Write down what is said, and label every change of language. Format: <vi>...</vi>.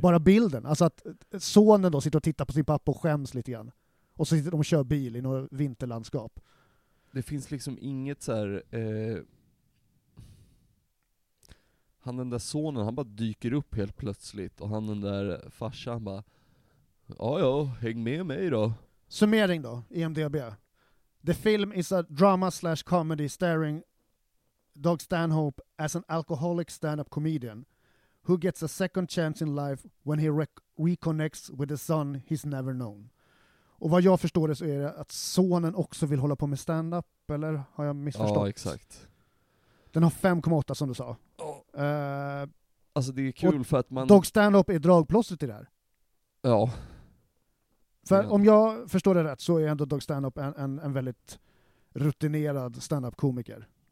<sv>Bara bilden, alltså att sonen då sitter och tittar på sin pappa och skäms lite grann. Och så sitter de och kör bil i något vinterlandskap. Det finns liksom inget så här... han den där sonen, han bara dyker upp helt plötsligt. Och han den där farsan, han bara... Ja, häng med mig då. Summering då, IMDb.</sv> <en>The film is a drama slash comedy starring Doug Stanhope as an alcoholic stand-up comedian who gets a second chance in life when he reconnects with a son he's never known.</en> <sv>Och vad jag förstår det så är det att sonen också vill hålla på med stand-up, eller har jag missförstått? Ja, exakt. Den har 5,8 som du sa. Alltså det är kul för att man... Doug Stanhope är dragplåstret i det här. Ja. För ja. Om jag förstår det rätt så är ändå Doug Stanhope en väldigt rutinerad stand-up-komiker.</sv>